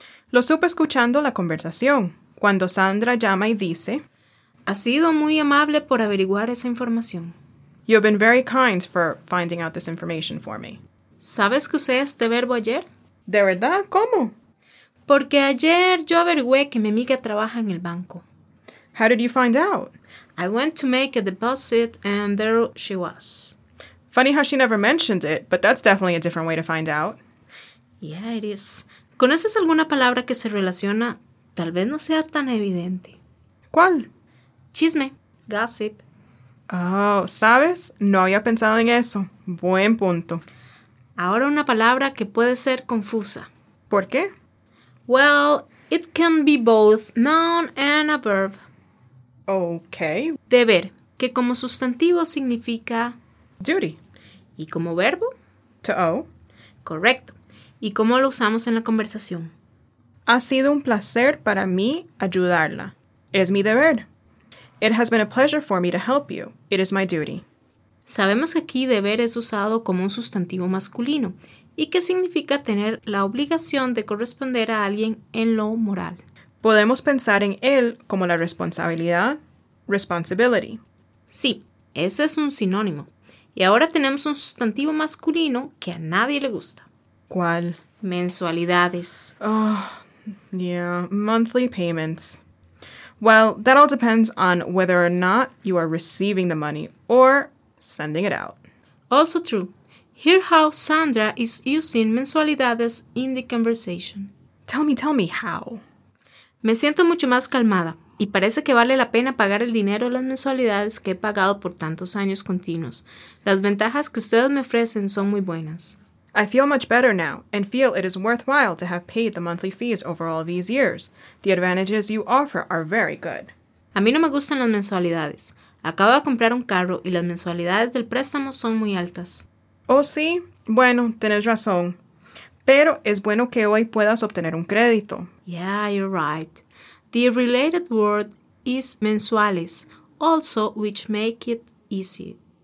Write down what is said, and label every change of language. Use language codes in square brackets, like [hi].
[es] Lo supe escuchando la conversación, cuando Sandra llama y dice... Ha sido muy amable por averiguar esa información. [en] You have been very kind for finding out this information for me. [es] ¿Sabes que usé este verbo ayer? ¿De verdad? ¿Cómo? Porque ayer yo averigüé que mi amiga trabaja en el banco. [en] How did you find out? I went to make a deposit and there she was. Funny how she never mentioned it, but that's definitely a different way to find out. Yeah, it is. [es] ¿Conoces alguna palabra que se relaciona? Tal vez no sea tan evidente. ¿Cuál? Chisme. Gossip. Oh, ¿sabes? No había pensado en eso. Buen punto. Ahora una palabra que puede ser confusa. ¿Por qué? [en] Well, It can be both noun and a verb. Okay. [es] Deber, que como sustantivo significa... [en] duty. [es] ¿Y como verbo? [en] To owe. [es] Correcto. ¿Y cómo lo usamos en la conversación? Ha sido un placer para mí ayudarla. Es mi deber. [en] It has been a pleasure for me to help you. It is my duty. [es] Sabemos que aquí deber es usado como un sustantivo masculino y que significa tener la obligación de corresponder a alguien en lo moral. Podemos pensar en él como la responsabilidad, responsibility. Sí, ese es un sinónimo. Y ahora tenemos un sustantivo masculino que a nadie le gusta. ¿Cuál? Mensualidades. [en] Oh, yeah, monthly payments. Well, that all depends on whether or not you are receiving the money or sending it out. Also true. Hear how Sandra is using mensualidades in the conversation. Tell me how. [es] Me siento mucho más calmada y parece que vale la pena pagar el dinero las mensualidades que he pagado por tantos años continuos. Las ventajas que ustedes me ofrecen son muy buenas. [en] I feel much better now and feel it is worthwhile to have paid the monthly fees over all these years. The advantages you offer are very good. [es] A mí no me gustan las mensualidades. Acabo de comprar un carro y las mensualidades del préstamo son muy altas. Oh, sí. Bueno, tienes razón. Pero es bueno que hoy puedas obtener un crédito. [en] Yeah, you're right. The related word is mensuales, also which make it easy.